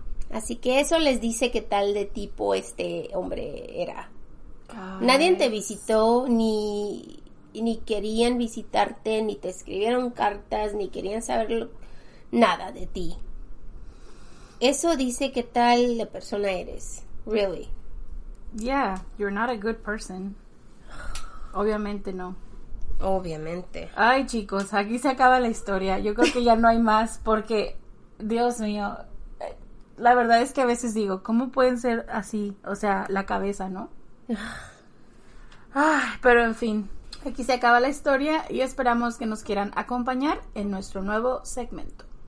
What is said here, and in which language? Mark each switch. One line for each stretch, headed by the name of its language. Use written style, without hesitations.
Spanish: Así que eso les dice qué tal de tipo este hombre era. Nadie te visitó ni querían visitarte, ni te escribieron cartas, ni querían saber nada de ti. Eso dice qué tal de persona eres,
English: really. Yeah, you're not a good person.
Spanish: Obviamente no. Obviamente. Ay, chicos, aquí se acaba la historia. Yo creo que ya no hay más porque, Dios mío, la verdad es que a veces digo, ¿cómo pueden ser así? O sea, la cabeza, ¿no? Ay, pero en fin, aquí se acaba la historia y esperamos que nos quieran acompañar en nuestro nuevo segmento.